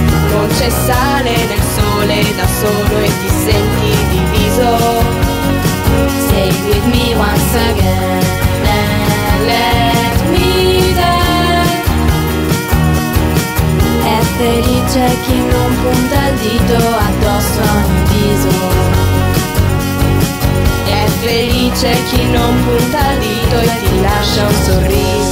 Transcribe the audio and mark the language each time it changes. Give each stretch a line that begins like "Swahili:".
Italian: Non c'è sale nel sole, da solo e ti senti diviso.
English: Stay with me once again and let me dance.
Italian: È felice chi non punta il dito addosso a ogni viso. È felice chi non punta il dito e ti lascia un sorriso.